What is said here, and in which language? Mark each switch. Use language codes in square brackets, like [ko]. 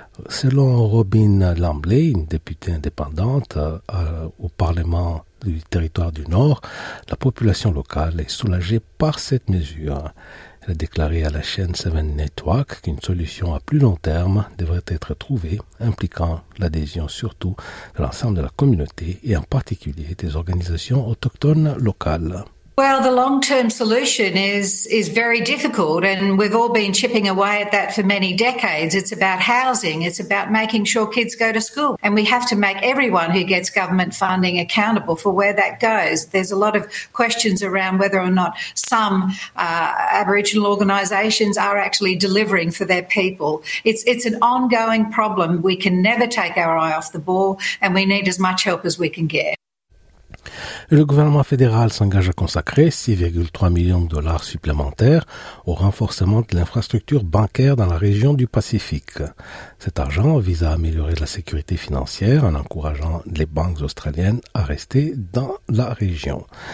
[fr] Selon Robin Lamblay, une députée indépendante au Parlement du territoire du Nord, la population locale est soulagée par cette mesure. Elle a déclaré à la chaîne Seven Network qu'une solution à plus long terme devrait être trouvée, impliquant l'adhésion surtout de l'ensemble de la communauté et en particulier des organisations autochtones locales. [en] Well, the long-term solution is very difficult, and we've all been chipping away at that for many decades. It's about housing. It's about making sure kids go to school. And we have to make everyone who gets government funding accountable for where that goes. There's a lot of questions around whether or not some Aboriginal organisations are actually delivering for their people. It's an ongoing problem. We can never take our eye off the ball, and we need as much help as we can get. [fr] Le gouvernement fédéral s'engage à consacrer 6,3 millions de dollars supplémentaires au renforcement de l'infrastructure bancaire dans la région du Pacifique. Cet argent vise à améliorer la sécurité financière en encourageant les banques australiennes à rester dans la région.